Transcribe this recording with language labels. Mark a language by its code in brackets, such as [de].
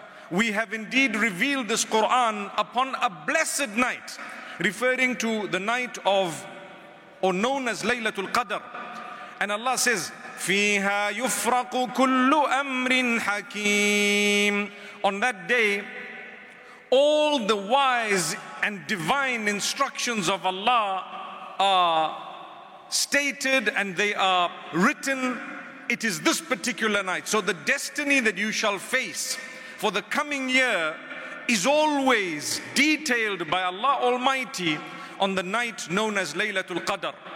[en] We have indeed revealed this Quran upon a blessed night, referring to the night of, or known as Laylatul Qadr. And Allah says, [ar] فيها يفرق كل أمر حكيم. [en] On that day, all the wise and divine instructions of Allah are stated and they are written. It is this particular night. So the destiny that you shall face for the coming year is always detailed by Allah Almighty on the night known as Laylatul Qadr.